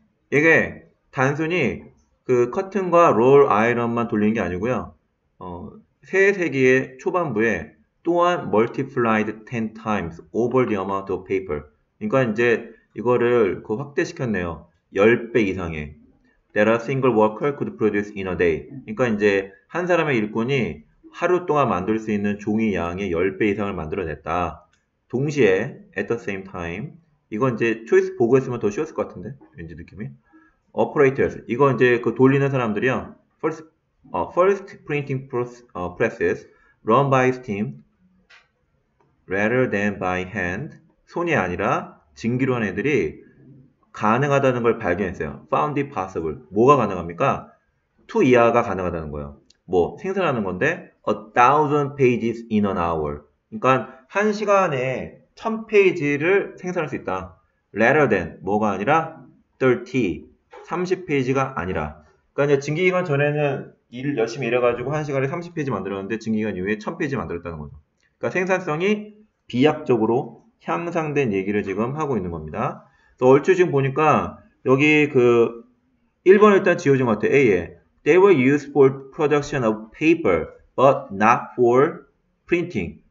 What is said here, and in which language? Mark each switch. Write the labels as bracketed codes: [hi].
[ko] 이게 단순히 그 커튼과 롤 아이런만 돌리는 게 아니고요. 새 세기의 초반부에 또한 [en] multiplied 10 times over the amount of paper. [ko] 그러니까 이제 이거를 그 확대시켰네요. 10배 이상의 [en] that a single worker could produce in a day. [ko] 그러니까 이제 한 사람의 일꾼이 하루 동안 만들 수 있는 종이 양의 10배 이상을 만들어냈다. 동시에 [en] at the same time [ko] 이건 이제 choice 보고 했으면 더 쉬웠을 것 같은데 왠지 느낌이 operators 이건 이제 그 돌리는 사람들이야 [en] first printing presses run by steam rather than by hand [ko] 손이 아니라 증기로 한 애들이 가능하다는 걸 발견했어요. [en] Found it possible. [ko] 뭐가 가능합니까? 2 이하가 가능하다는 거예요. 뭐 생산하는 건데 [en] 1,000 pages in an hour. [ko] 그러니까 한 시간에 1,000 페이지를 생산할 수 있다. [en] Rather than [ko] 뭐가 아니라 30 페이지가 아니라. 그러니까 이제 증기 기간 전에는 일 열심히 일해가지고 한 시간에 30 페이지 만들었는데 증기 기간 이후에 1,000 페이지 만들었다는 거죠. 그러니까 생산성이 비약적으로 향상된 얘기를 지금 하고 있는 겁니다. 또 얼추 지금 보니까 여기 그 1번 일단 지워진 것 같아. [en] A에 They were used for production of paper but not for printing.